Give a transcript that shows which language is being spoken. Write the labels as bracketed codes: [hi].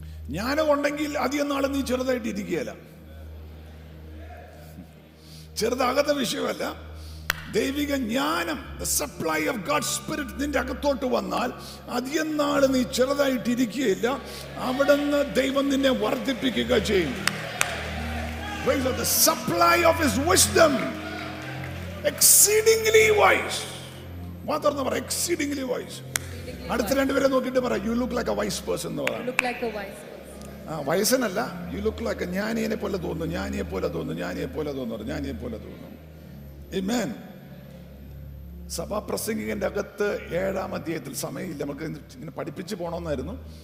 [ml] ജ്ഞാനമുണ്ടെങ്കിൽ അധികം നാളെ നീ ചെറുതായിട്ട് ഇരിക്കുകയല്ല. ചെറുതാകത്ത വിഷയമല്ല, ദൈവിക ജ്ഞാനം, [en] the supply of God spirit [ml] നിന്റെ അകത്തോട്ട് വന്നാൽ അധികം നാളെ നീ ചെറുതായിട്ട് ഇരിക്കുകയില്ല. അവിടുന്ന് ദൈവം നിന്നെ വർദ്ധിപ്പിക്കുക ചെയ്യും. [en] Praise the supply of his wisdom, exceedingly wise. [ml] മാത്രം പറ [en] Exceedingly wise. [ml] അടുത്ത രണ്ട് പേരെ നോക്കിയിട്ട് പറ, [en] you look like a wise person [ml] എന്ന് പറ. വയസ്സനല്ല, [en] you look like [ml] ജ്ഞാനിയെ പോലെ തോന്നുന്നു, ജ്ഞാനിയെ പോലെ തോന്നുന്നു, ജ്ഞാനിയെ പോലെ തോന്നുന്നു, ജ്ഞാനിയെ പോലെ തോന്നുന്നു. ആമേൻ. സഭാപ്രസംഗികന്റെ അകത്ത് 7-ാം സമയമില്ല, നമുക്ക് ഇങ്ങനെ പഠിപ്പിച്ച് പോകണമെന്നായിരുന്നു.